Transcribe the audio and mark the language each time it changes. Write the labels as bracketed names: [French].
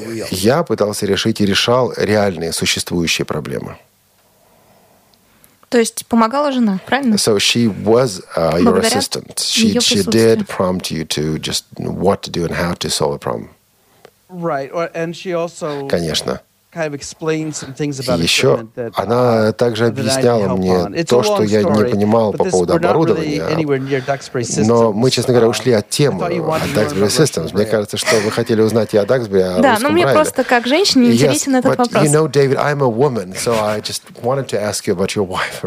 [Russian] Я пытался решить и решал реальные существующие проблемы. То есть помогала жена, правильно? [English] So she was your assistant. She did prompt you to just what to do and how to solve a problem. Right, and she also. [Russian] Конечно. [English] Kind of explain some things about equipment that, [Russian] она также объясняла мне то, что я не понимал по поводу оборудования. Но мы, честно говоря, ушли от темы, от Duxbury Systems. Мне кажется, что вы хотели узнать и о Duxbury, о русском Брайле. Да, но мне просто как женщине интересен этот вопрос. [English] You know, David, I'm a woman, so I just wanted to ask you about your wife.